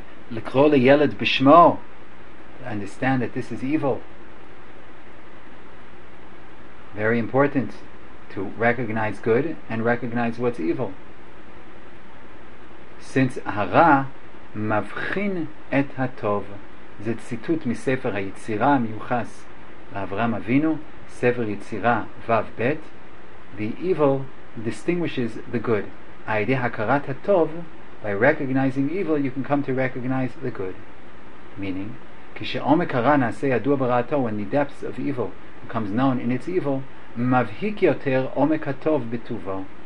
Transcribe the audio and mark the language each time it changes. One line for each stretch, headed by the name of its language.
Hebrew: L'kro le'yelad b'shmo,
English: understand that this is evil. Very important to recognize good and recognize what's evil.
Hebrew: Since hara mavchin et hatov, זה ציטוט מספר היצירה המיוחס לאברהם אבינו, ספר יצירה וו בית.
English: The evil distinguishes the good.
Hebrew: הידי הכרת הטוב,
English: by recognizing evil, you can come to recognize the good. Meaning,
Hebrew: כשעומק הרע נעשה ידוע ברעתו,
English: when the depths of evil becomes known in its evil,
Hebrew: מבהיק יותר עומק הטוב בטובו.